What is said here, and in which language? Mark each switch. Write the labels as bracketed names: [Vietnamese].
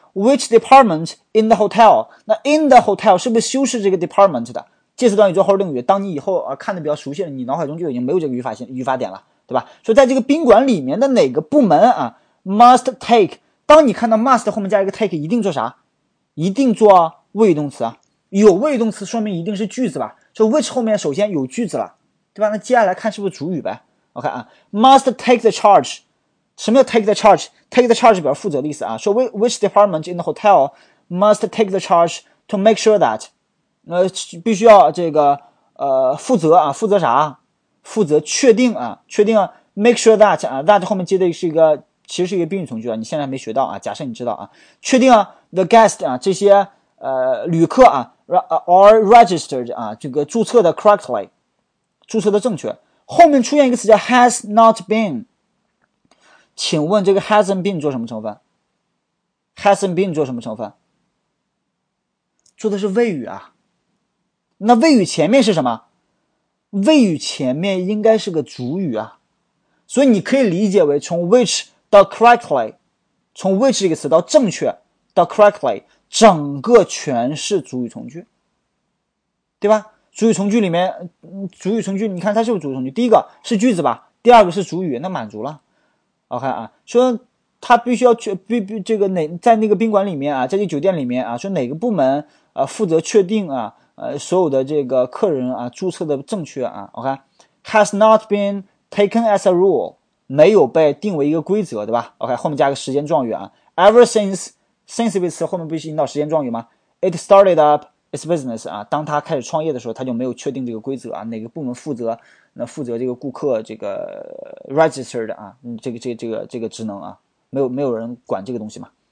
[English] Which department in the hotel， [Chinese] 那 [English] in the hotel [Chinese] 是不是修饰这个 department 的介词短语做 holding 语，当你以后看的比较熟悉了，你脑海中就已经没有这个语法点了，对吧？说在这个宾馆里面的哪个部门啊 [English] must take， [Chinese] 当你看到 must 后面加一个 take， 一定做啥？一定做谓语动词啊，有谓语动词说明一定是句子吧，就 which 后面首先有句子了，对吧？那接下来看是不是主语呗。 [English] OK 啊， must take the charge， [Chinese] 什么叫 [English] take the charge？ take the charge [Chinese] 表示负责的意思啊，说 [English] which department in the hotel must take the charge to make sure that， [Chinese] 必须要这个负责啊，负责啥？负责确定啊，确定啊， [English] make sure that [Chinese] 啊， that 后面接的是一个，其实是一个宾语从句啊，你现在还没学到啊，假设你知道啊，确定啊， [English] the guest [Chinese] 啊，这些旅客啊 [English] are registered [Chinese] 啊，这个注册的 correctly， 注册的正确。后面出现一个词叫 [English] has not been， [Chinese] 请问这个 [English] hasn't been [Chinese] 做什么成分？ [English] hasn't been [Chinese] 做什么成分？做的是谓语啊。那谓语前面是什么？谓语前面应该是个主语啊，所以你可以理解为从 which 到 correctly， 从 which 这个词到正确到 correctly， 整个全是主语从句，对吧？主语从句里面，主语从句你看它是不是主语从句，第一个是句子吧，第二个是主语，那满足了。 OK 啊，说他必须要去这个哪，在那个宾馆里面啊，在这酒店里面啊，说哪个部门负责确定啊所有的这个客人啊注册的正确啊。 [English] OK， has not been taken as a rule， [Chinese] 没有被定为一个规则，对吧？ OK， 后面加个时间状语啊， [English] ever since [Chinese] 这个词后面不是引导时间状语吗？ [English] it started up its business [Chinese] 啊，当他开始创业的时候，他就没有确定这个规则啊，哪个部门负责，那负责这个顾客这个 registered 啊，这个职能啊，没有人管这个东西嘛。